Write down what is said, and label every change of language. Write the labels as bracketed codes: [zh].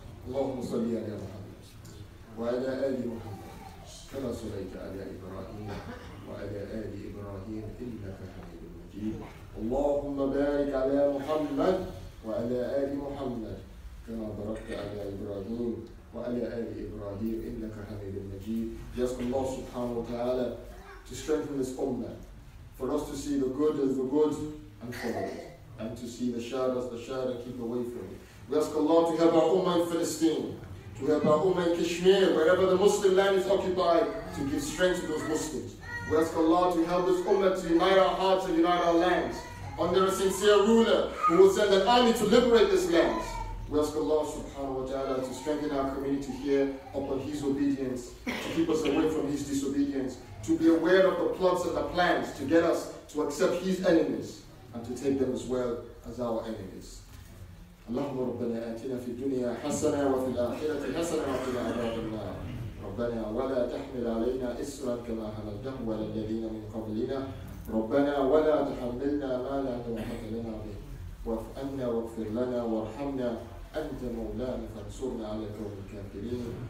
[ar] اللهم صل على محمد وعلى آل محمد كما صليت على إبراهيم وعلى آل إبراهيم إنك حميد مجيد. اللهم بارك على محمد وعلى آل محمد كما باركت على إبراهيم وعلى آل إبراهيم إنك حميد مجيد. [en] Just Allah subhanahu wa ta'ala to strengthen this ummah, for us to see the good as the good and follow it, and to see the shar as the shar and keep away from it. We ask Allah to help our Ummah in Palestine, to help our Ummah in Kashmir, wherever the Muslim land is occupied, to give strength to those Muslims. We ask Allah to help this Ummah to unite our hearts and unite our lands under a sincere ruler who will send an army to liberate this land. We ask Allah subhanahu wa ta'ala to strengthen our community here upon His obedience, to keep us away from His disobedience, to be aware of the plots and the plans to get us to accept His enemies and to take them as well as our enemies. [ar] اللهم ربنا آتنا في الدنيا حسنة وفي الآخرة حسنة وقنا عذاب النار. ربنا ولا تحمل علينا إسرا كما حملته على الذين من قبلنا. ربنا ولا تحملنا ما لا طاقة لنا به. واعف عنا واغفر لنا وارحمنا أنت مولانا فانصرنا على القوم الكافرين.